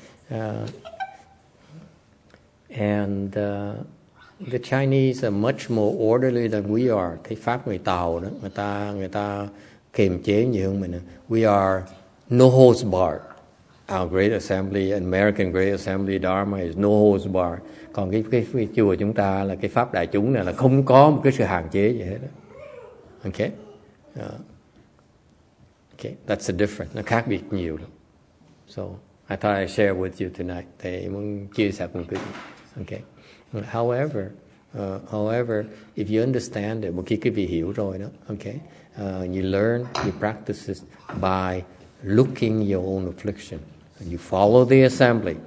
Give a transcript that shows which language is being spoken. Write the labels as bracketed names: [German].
[English] The Chinese are much more orderly than we are. [Vietnamese] Thế Pháp người Tàu đó, người ta kiềm chế nhiều hơn mình. [English] We are no holds barred. Our great assembly, American great assembly, Dharma is no holds barred. [Vietnamese] Còn cái chùa chúng ta là cái pháp đại chúng này là không có một cái sự hạn chế gì hết. Đó. [English] Okay, okay, that's the difference. [Vietnamese] Nó khác biệt nhiều lắm. [English] So I thought I'd share with you tonight. [Vietnamese] Thầy muốn chia sẻ cùng quý vị. Okay. [English] However, if you understand it, [Vietnamese] một khi quý vị hiểu rồi đó. [English] Okay, you learn, you practice it by looking your own affliction, and you follow the assembly.